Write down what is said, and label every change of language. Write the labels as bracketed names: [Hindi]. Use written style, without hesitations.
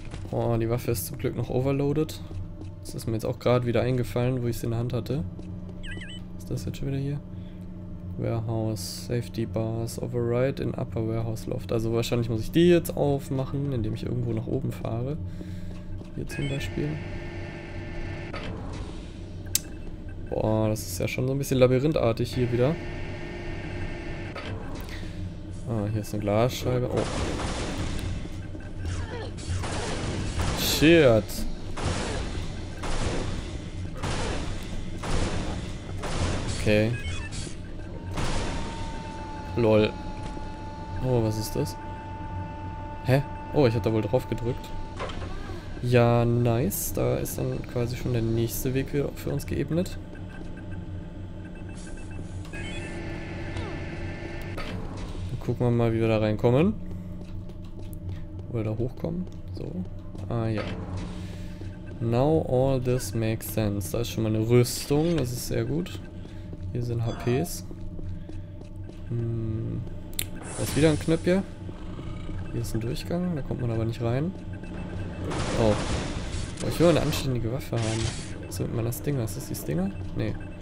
[German] Oh, die Waffe ist zum Glück noch overloaded. Das ist mir jetzt auch gerade wieder eingefallen, wo ich es in der Hand hatte. Ist das jetzt schon wieder hier? [English] Warehouse, Safety Bars, Override in Upper Warehouse Loft. [German] Also wahrscheinlich muss ich die jetzt aufmachen, indem ich irgendwo nach oben fahre. Hier zum Beispiel. Boah, das ist ja schon so ein bisschen labyrinthartig hier wieder. Ah, hier ist eine Glasscheibe. Oh. [English] Shit. Okay. [German] Lol. Oh, was ist das? Hä? Oh, ich hatte da wohl drauf gedrückt. Ja, nice. Da ist dann quasi schon der nächste Weg für uns geebnet. Dann gucken wir mal, wie wir da reinkommen. Oder da hochkommen. So. Ah ja. [English] Now all this makes sense. [German] Da ist schon mal eine Rüstung. Das ist sehr gut. Hier sind HPs. Da ist wieder ein Knöpfchen. Hier ist ein Durchgang, da kommt man aber nicht rein. Oh. Oh, ich will eine anständige Waffe haben. Was ist mit meiner Stinger? Ist das die Stinger? Nee.